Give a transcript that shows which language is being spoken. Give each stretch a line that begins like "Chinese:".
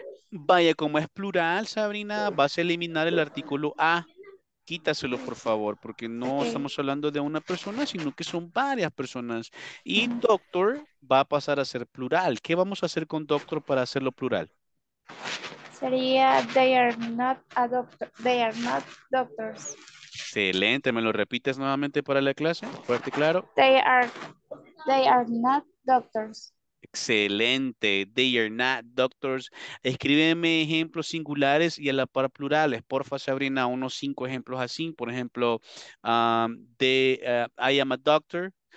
Spanish: Vaya, como es plural, Sabrina, vas a eliminar el artículo A. Quítaselo, por favor, porque no okay. Estamos hablando de una persona, sino que son varias personas. Y doctor va a pasar a ser plural. ¿Qué vamos a hacer con doctor para hacerlo plural? Sería,
English: they are not a doctor, they are not doctors.
Spanish: Excelente, ¿me lo repites nuevamente para la clase? Fuerte y claro.
English: They are not doctors.
Spanish: Excelente,
English: they are not doctors.
Spanish: Escríbeme ejemplos singulares y a la par plurales. Porfa, Sabrina, unos 5 ejemplos así. Por ejemplo,
English: I am a doctor.